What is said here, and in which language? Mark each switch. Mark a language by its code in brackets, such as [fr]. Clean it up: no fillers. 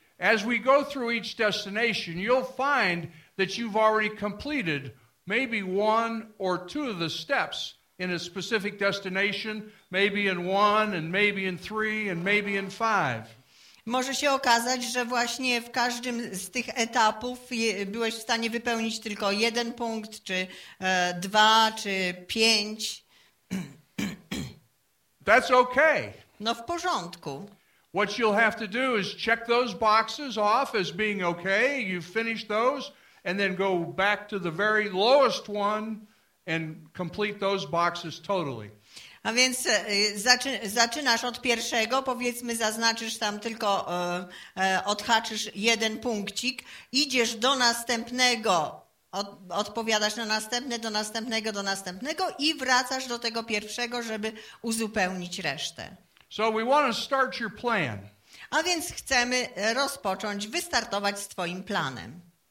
[en] As we go through each destination, you'll find that you've already completed maybe one or two of the steps in a specific destination, maybe in one, and maybe in three, and maybe in five. [pl] Może się okazać, że właśnie w każdym z tych etapów byłeś w stanie wypełnić tylko jeden punkt, czy dwa, czy pięć. [en] That's okay. [pl] No w porządku. [en] What you'll have to do is check those boxes off as being okay. You finish those and then go back to the very lowest one and complete those boxes totally. [pl] A więc zaczynasz od pierwszego, powiedzmy, zaznaczysz tam tylko, odhaczysz jeden punkcik, idziesz do następnego, odpowiadasz na następne, do następnego, do następnego i wracasz do tego pierwszego, żeby uzupełnić resztę. [en] So we want to start your plan. [pl] A więc chcemy rozpocząć, wystartować z twoim planem.